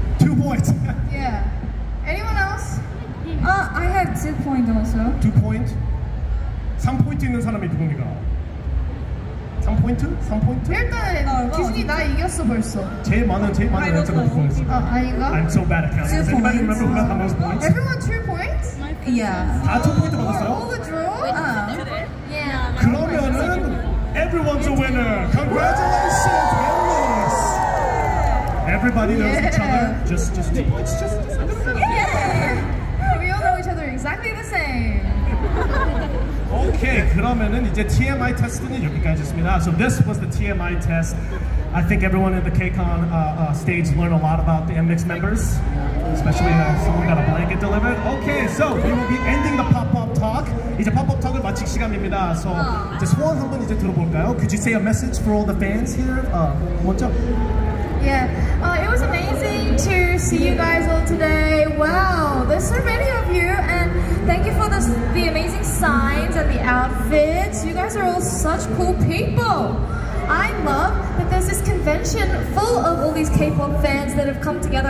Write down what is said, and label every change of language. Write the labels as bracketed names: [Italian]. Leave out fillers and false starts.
[English] 2 points? Yeah. Anyone else? I have 2 points also. 2 points? [Korean] 3 포인트 있는 사람이 누구입니까? [English] 3 points? 3 points? [Korean] 일단, 규진이 나 이겼어 벌써. 제일 많은 여자가 누구였어? 아이가? [English] I'm so bad at counting. Does anybody remember who got the most points? Everyone 2 points? Yeah. [Korean] 다 2 points 받았어요? [English] Yeah. [Korean] 그러면은 [English] everyone's a winner. Congratulations, Emily's. Everybody knows yeah. each other. Just 2 points. Yeah. We all know each other exactly the same. Okay. [Korean] 그러면은 이제 TMI 테스트는 여기까지였습니다. [English] So this was the TMI test. I think everyone in the KCON stage learned a lot about the NMIXX members, especially if someone got a blanket delivered. Okay, so we will be ending the pop-up talk. [Korean] 이제 pop-up talk을 마칠 시간입니다. So 이제 소원 한번 이제 들어볼까요? [English] Could you say a message for all the fans here? [Korean] 먼저. [English] Yeah, it was amazing to see you guys all today. Wow, there's so many of you, and thank you for the amazing signs and the outfits. You guys are all such cool people. I love that there's this convention full of all these K-pop fans that have come together.